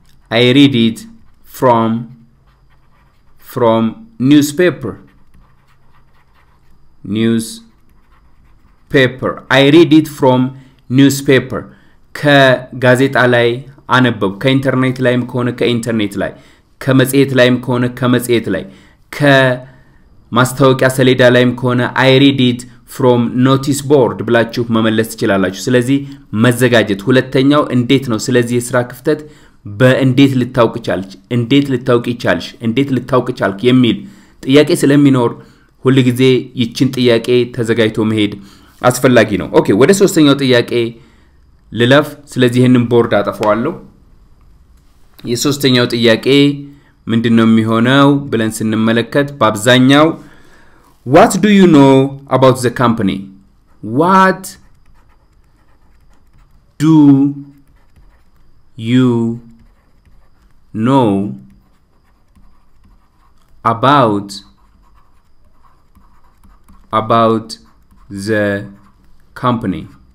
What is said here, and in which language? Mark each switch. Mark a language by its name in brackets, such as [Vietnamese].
[English] I read it from newspaper. I read it from newspaper. [Amharic] ከጋዜጣ ላይ አነበብ ከኢንተርኔት ላይም ከሆነ ከኢንተርኔት ላይ ከመጽሔት ላይም ከሆነ ከመጽሔት ላይ ከማስታወቂያ ሰሌዳ ላይም ከሆነ [English] I read it from notice board [Amharic] ብላችሁ መመለስ ትችላላችሁ። ስለዚህ መዘጋጀት ሁለተኛው እንዴት ነው። ስለዚህ የሥራ ክፍተት በእንዴት ልታውቅ ቻልሽ እንዴት ልታውቅ ቻልሽ እንዴት ልታውቅ ቻልክ የሚል ጥያቄ ስለሚኖር ሁልጊዜ ይቺን ጥያቄ ተዘጋጅቶ መሄድ አስፈላጊ ነው። ኦኬ ወደ ሶስተኛው ጥያቄ ለለፍ። ስለዚህ ይሄንን ቦርድ አጠፋዋለሁ። የሶስተኛው ጥያቄ ምንድነው የሚሆነው ብለን سنመለከት በአብዛኛው [English] What do you know about the company? What do you know about the company?